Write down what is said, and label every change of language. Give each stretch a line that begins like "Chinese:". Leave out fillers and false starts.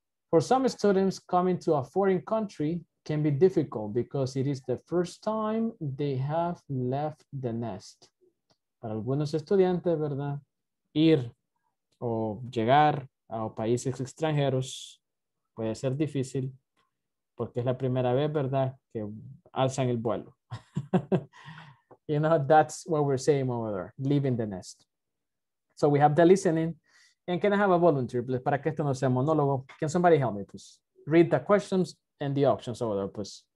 English: For some students, coming to a foreign country can be difficult because it is the first time they have left the nest.
Spanish: Para algunos estudiantes, ¿verdad? Ir o llegar a países extranjeros puede ser difícil porque es la primera vez, ¿verdad? Que alzan el vuelo.
English: You know, that's what we're saying over there, leaving the nest. So we have the listening. And can I have a volunteer, please?
Spanish: Para que esto no sea monólogo.
English: Can somebody help me, please? Read the questions and the options over there, please.